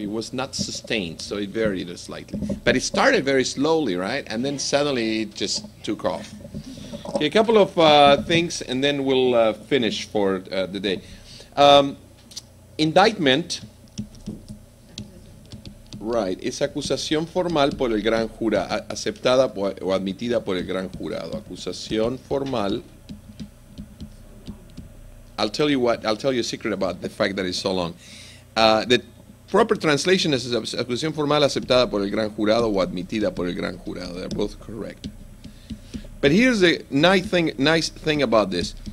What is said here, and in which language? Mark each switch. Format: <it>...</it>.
<en>It was not sustained, so it varied slightly. But it started very slowly, right? And then suddenly it just took off. Okay, a couple of things, and then we'll finish for the day. Indictment Right.</en> <es>Es acusación formal por el gran jurado, aceptada o admitida por el gran jurado. Acusación formal.</es> <en>I'll tell you a secret about the fact that it's so long. The proper translation is</en> <es>acusación formal aceptada por el gran jurado</es> <en>o admitida por el gran jurado. They're both correct. But here's the nice thing about this.</en>